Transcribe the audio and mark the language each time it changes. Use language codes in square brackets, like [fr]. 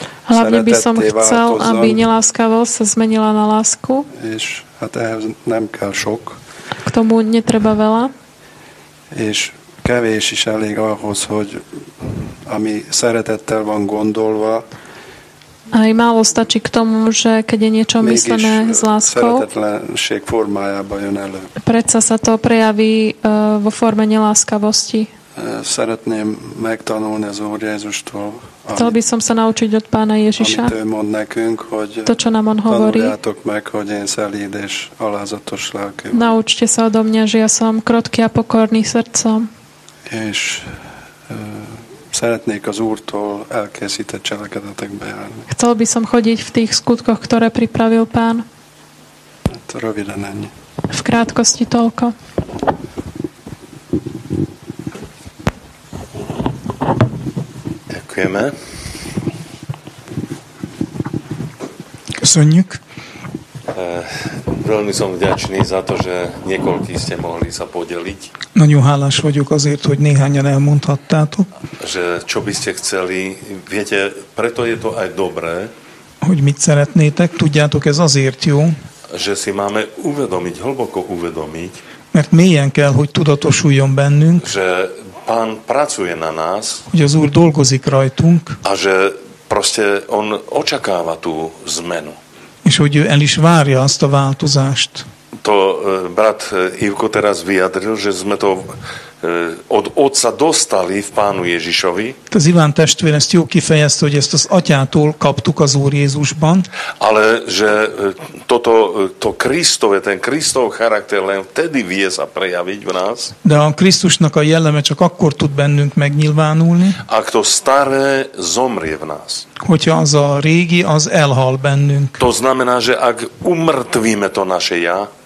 [sk] hlavne by som chcel, aby neláskavosť sa zmenila na lásku. [hu] És hát ehhez nem kell sok. [sk] K tomu netreba veľa. [hu] És kevés is elég ahhoz, hogy ami szeretettel van gondolva. [sk] Aj málo stačí k tomu, že keď je niečo myslené s láskou, [hu] szeretetlenség formájában jön elő. [sk] Predsa sa to prejaví vo forme neláskavosti. [hu] Szeretném megtanulni az Úr Jézustól. [sk] Chcel by som sa naučiť od Pána Ježiša. [hu] Amit ő mond nekünk, hogy [sk] to, čo nám on hovorí. [hu] Tanuljátok meg, hogy én szelíd és alázatos lelkű. [sk] Naučte sa odo mňa, že ja som krotký a pokorný srdcom. [hu] És szeretnék az Úrtól elkészített cselekedetekbe járni. [sk] Chcel by som chodiť v tých skutkoch, ktoré pripravil Pán. [hu] To röviden ennyi. [sk] V krátkosti toľko. Ďakujeme. [hu] Köszönjük. [sk] Veľmi som vďačný za to, že niekoľkí ste mohli sa podeliť. [hu] Nagyon hálás vagyok azért, hogy néhányan elmondhattátok. [sk] Že čo by ste chceli, viete, preto je to aj dobré. [hu] Hogy mit szeretnétek, tudjátok, ez azért jó. [sk] Že si máme uvedomiť, hlboko uvedomiť. [hu] Mert mélyen kell, hogy tudatosuljon bennünk. [sk] Že Pán pracuje na nás. [hu] Hogy az Úr dolgozik rajtunk. [sk] A že proste on očakáva tú zmenu. [hu] És hogy ő el is várja azt a változást. [sk] To brat Ivko teraz vyjadril, že sme to od Otca dostali v Pánu Ježišovi. [hu] Az Iván testvér ezt jó kifejezte, hogy ezt az Atyától kaptuk az Úr Jézusban. [sk] Ale že toto, to Krisztove, ten Krisztov charakter len vtedy vie sa prejaviť v nás. [hu] De a Krisztusnak a jelleme csak akkor tud bennünk megnyilvánulni. [sk] Ak to staré zomrie v nás. [hu] Hogyha az a régi, az elhal bennünk. [sk] To znamená, že ak umrtvíme to naše já.